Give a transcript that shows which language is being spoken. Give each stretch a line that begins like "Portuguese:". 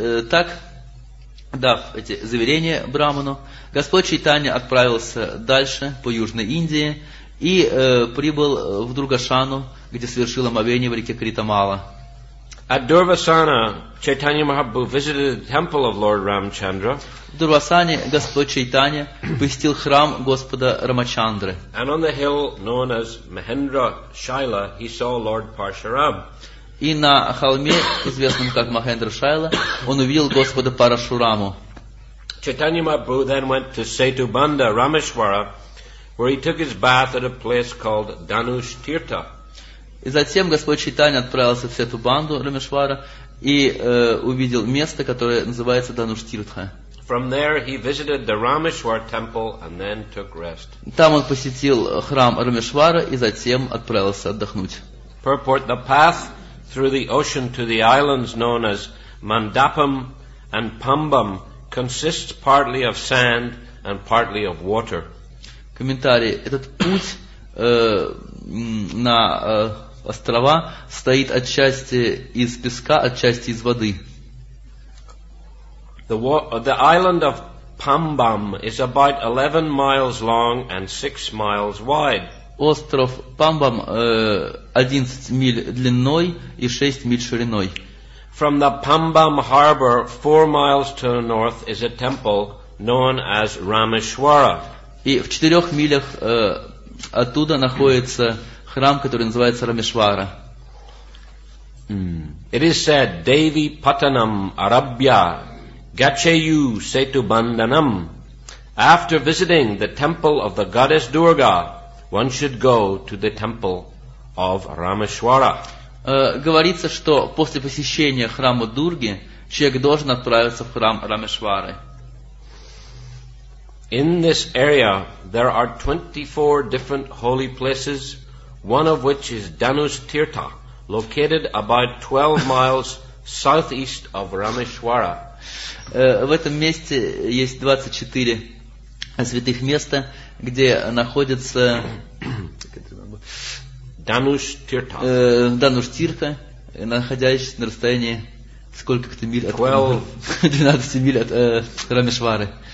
Russian: Так, дав эти заверения Брахману, Господь Чайтанья отправился дальше по Южной Индии и прибыл в Дургашану, где совершил омовение в реке Критамала.
English: At Durvasana, Chaitanya Mahaprabhu visited the temple of Lord Ramchandra.
Russian: В Дурвасане Господь Чайтанья посетил храм Господа Рамачандры.
English: And on the hill known as Mahendra Shaila, he saw Lord Parshuram.
Russian: И на холме, известном как Махендра Шайла, он увидел Господа Парашураму.
English: Chaitanya Mahaprabhu then went to Setu Bandha, Rameshwara, where he took his bath at a place called Danush Tirtha.
Russian: И затем Господь Чайтанья отправился в Сету Банду Рамешвара и увидел место, которое называется Дануш Тиртха.
English: From there he visited the Rameshwar temple and then took rest.
Russian: Там он посетил храм Рамешвара и затем отправился отдохнуть.
English: Purport: the path through the ocean to the islands known as Mandapam and Pambam consists partly of sand and partly of water.
Russian: Комментарий: этот путь на острова состоит отчасти из песка, отчасти из воды.
English: The island of Pambam is about 11 miles long and 6 miles wide.
Russian: Остров Памбам 11 миль длиной и 6 миль шириной.
English: From the Pambam harbor, 4 miles to the north, is a temple known as Rameshwara.
Russian: И в 4 милях оттуда находится храм, который называется Рамешвара.
English: It is said,
Sanskrit: Devi Patanam Arabhya Gacheyu Setu Bandhanam.
English: After visiting the temple of the goddess Durga, one should go to the temple of Rameshwara.
Russian: Говорится, что после посещения храма Дурги человек должен отправиться в храм Рамешвары.
English: In this area there are 24 different holy places, one of which is Danush Tirtha, located about 12 miles southeast of Rameshwara.
Russian: В этом месте есть 24 святых места, где находится Дануш Тирта. Дануш Тирта, находящийся на расстоянии сколько-то миль от 12 миль от Рамешвары.